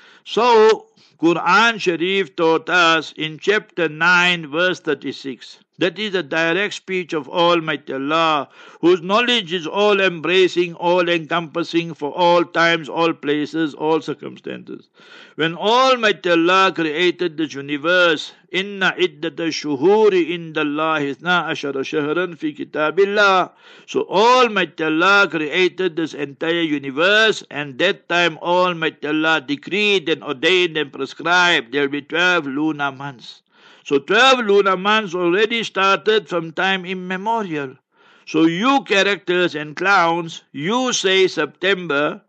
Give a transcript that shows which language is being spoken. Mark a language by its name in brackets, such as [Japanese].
[English] So Quran Sharif taught us in chapter 9, verse 36. That is a direct speech of Almighty Allah, whose knowledge is all-embracing, all-encompassing for all times, all places, all circumstances. When Almighty Allah created this universe, [Arabic] إِنَّ عِدَّةَ الشُّهُورِ إِنَّ اللَّهِ اثْنَا عَشَرَ شَهْرًا فِي كِتَابِ اللَّهِ. [English] So Almighty Allah created this entire universe, and that time Almighty Allah decreed and ordained and prescribed there will be 12 lunar months. So 12 lunar months already started from time immemorial. So you characters and clowns, you say September.